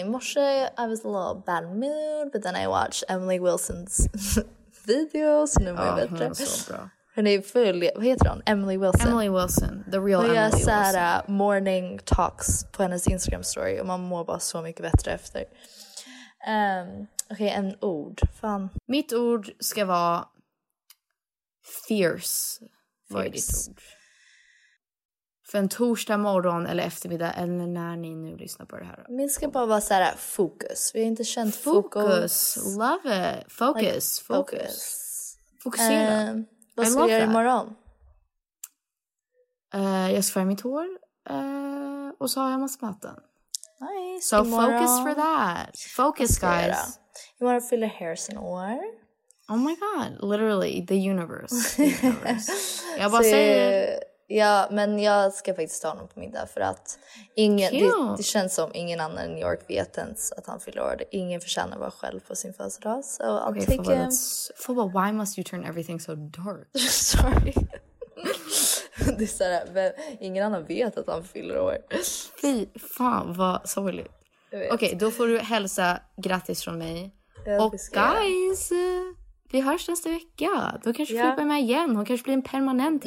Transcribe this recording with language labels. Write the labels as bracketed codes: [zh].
[sv] I morse, [en] I was a little bad mood, but then I watched Emily Wilson's videos. [sv] Nu mår jag bättre. Ja, så bra. Hon är full, vad heter hon? Emily Wilson. [en] Emily Wilson, the real Emily Wilson. [sv] Och jag sa morning talks på hennes Instagram story. Och man mår bara så mycket bättre efter. Okej, en ord. Fan. Mitt ord ska vara fierce. Vad är ditt ord? För en torsdag morgon eller eftermiddag, eller när ni nu lyssnar på det här. Min ska bara vara så här fokus. Vi har inte känt fokus. [en] Fokus, love it. Focus, like, focus. Fokusera. [sv] Vad ska du göra imorgon? Jag ska färga mitt hår. Och så har jag massa möten. [en] Nice. So imorgon. Focus for that. Focus, guys. [sv] Imorgon fyller Harrison år. [en] Oh my god. Literally, the universe. [sv] Jag bara säger... Ja, men jag ska faktiskt ta honom på middag. För att ingen, det känns som ingen annan i New York vet ens att han fyller år. Ingen förtjänar vara själv på sin födelsedag. [en] So Fobo, why must you turn everything so dark? Sorry. [sv] Det är så här, men ingen annan vet att han fyller år. Fy fan, vad sorgligt. Okej, då får du hälsa grattis från mig. Och guys... Vi hörs nästa vecka. Då kanske vi flyttar med igen. Hon kanske blir en permanent